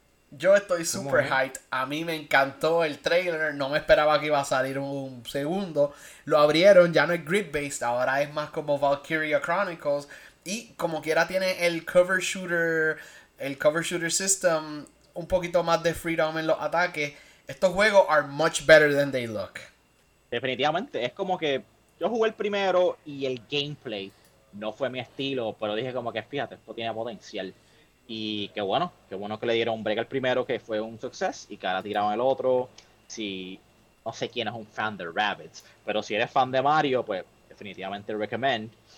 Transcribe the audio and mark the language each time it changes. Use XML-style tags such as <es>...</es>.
<es>Yo estoy super hyped. A mí me encantó el trailer. No me esperaba que iba a salir un segundo. Lo abrieron, ya no es grid-based. Ahora es más como Valkyria Chronicles. Y como quiera tiene el cover shooter system, un poquito más de freedom en los ataques. Estos juegos</es> <en>are much better than they look.</en> <es>Definitivamente, es como que yo jugué el primero y el gameplay no fue mi estilo, pero dije como que fíjate, esto tiene potencial. Y qué bueno que le dieron un break al primero, que fue un success, y que ahora tiraron el otro. Si no sé quién es un fan de Rabbids, pero si eres fan de Mario, pues definitivamente recommend.</es>